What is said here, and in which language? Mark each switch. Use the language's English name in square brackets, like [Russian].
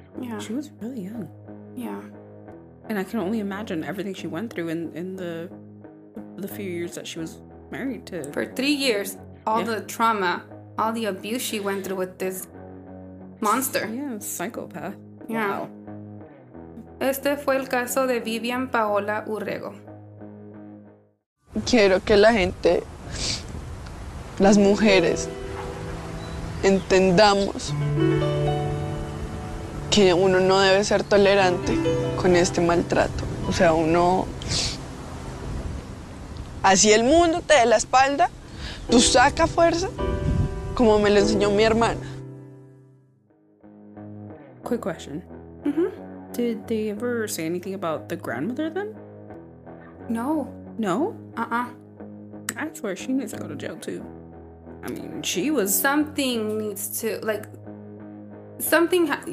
[English] Yeah. She was really young. Yeah. And I can only imagine everything she went through in the few years that she was married to. For 3 years, the trauma, all the abuse she went through with this monster. Yeah, psychopath. Yeah. Wow. [Spanish] Este fue el caso de Viviam Paola Urrego. Quiero que la gente, las mujeres, entendamos que uno no debe ser tolerante con este maltrato. O sea, uno, así el mundo te dé la espalda, tú saca fuerza, como me lo enseñó mi hermana. [English] Quick question. Mm-hmm. Did they ever say anything about the grandmother then? No. No? Uh-uh. I swear she needs to go to jail too. I mean, she was... Something needs to... Like, something...